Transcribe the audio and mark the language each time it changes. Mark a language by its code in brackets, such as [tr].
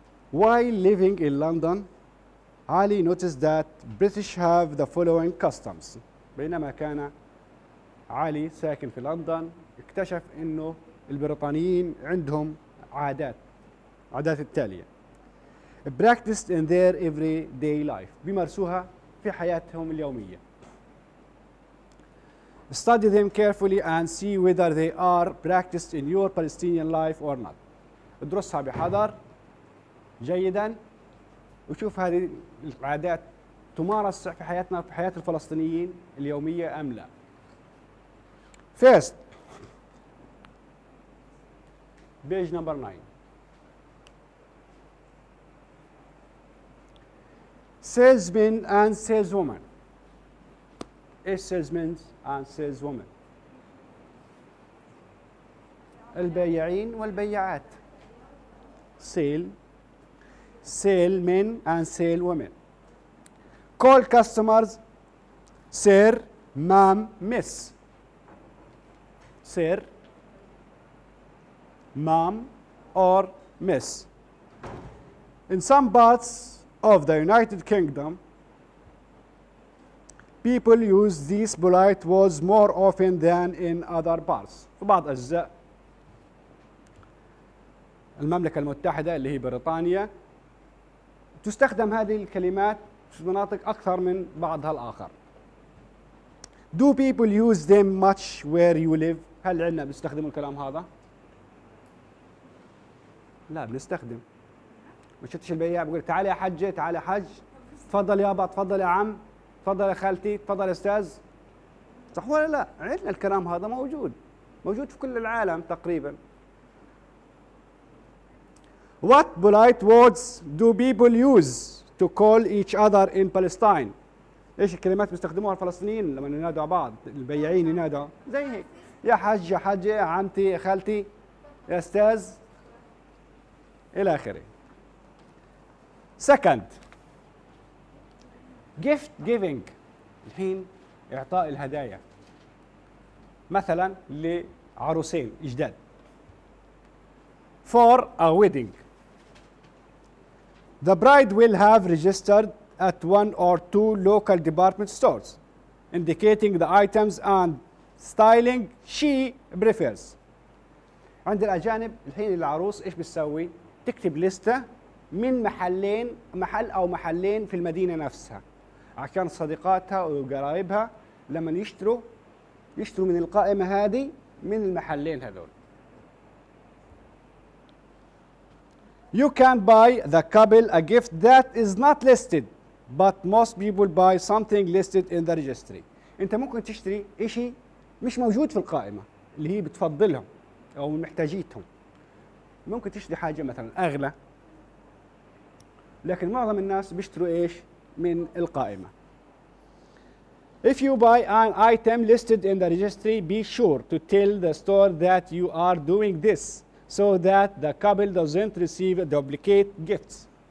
[en] While living in London, Ali noticed that British have the following customs. [ar] بينما كان علي ساكن في لندن اكتشف انه البريطانيين عندهم عادات، عادات التالية. [en] Practiced in their everyday life. [ar] بيمارسوها في حياتهم اليومية. [en] Study them carefully and see whether they are practiced in your Palestinian life or not. [ar] ادرسها بحذر جيدا وشوف هذه العادات تمارس في حياتنا، في حياة الفلسطينيين اليومية أم لا. [en] First page number 9. Salesmen and saleswomen. [ar] إيش [en] salesmen and saleswomen؟ [ar] البيعين والبيعات. [en] Sale men and sale women. Call customers sir, ma'am, miss. Sir, ma'am, or miss. In some parts of the United Kingdom, people use these polite words more often than in other parts. [ar] في بعض أجزاء المملكة المتحدة اللي هي بريطانيا تستخدم هذه الكلمات في مناطق أكثر من بعضها الآخر. [en] Do people use them much where you live? [ar] هل عندنا بنستخدم الكلام هذا؟ لا بنستخدم. ما شفتش البياع بيقول تعال يا حجة، تعال يا حج، تفضل يا أبا، تفضل يا عم، تفضل يا خالتي، تفضل يا أستاذ. صح ولا لا؟ عندنا الكلام هذا موجود. موجود في كل العالم تقريباً. [en] What polite words do people use to call each other in Palestine? [ar] إيش الكلمات بيستخدموها الفلسطينيين لما ينادوا بعض، البيعين ينادوا زي هيك، يا حج، يا حجة، يا عمتي، يا خالتي، يا أستاذ، إلى آخره. [en] Second, gift giving. [ar] الحين إعطاء الهدايا. مثلا لعروسين جداد. [en] For a wedding. The bride will have registered at one or two local department stores, indicating the items and styling she prefers. [ar] عند الأجانب الحين العروس إيش بتسوي؟ تكتب لستة من محلين، محل أو محلين في المدينة نفسها، عشان صديقاتها وقرايبها لما يشتروا من القائمة هذه من المحلين هذول. [en] You can buy the couple a gift that is not listed, but most people buy something listed in the registry. [ar] أنت ممكن تشتري إشي مش موجود في القائمة اللي هي بتفضلهم أو محتاجيتهم. ممكن تشتري حاجة مثلاً أغلى، لكن معظم الناس بيشتروا إيش من القائمة. [en] If you buy an item listed in the registry, be sure to tell the store that you are doing this, so that the couple doesn't receive duplicate gifts.